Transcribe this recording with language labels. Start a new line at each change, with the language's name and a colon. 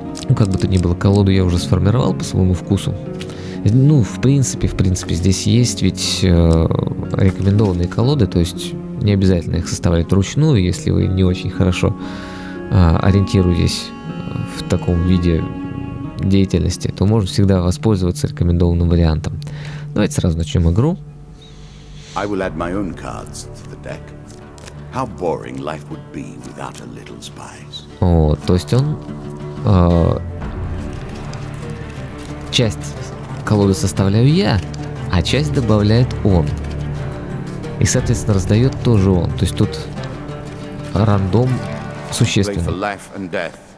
Russian: Ну, как бы то ни было, колоду я уже сформировал по своему вкусу. Ну, в принципе, здесь есть ведь рекомендованные колоды, то есть не обязательно их составлять вручную, если вы не очень хорошо ориентируетесь в таком виде деятельности, то можно всегда воспользоваться рекомендованным вариантом. Давайте сразу начнем игру.
English: I will add my own cards to the deck. How boring life would be without a little spice.
Russian: О, то есть он часть колоды составляю я, а часть добавляет он. И, соответственно, раздает тоже он. То есть тут рандом существенный.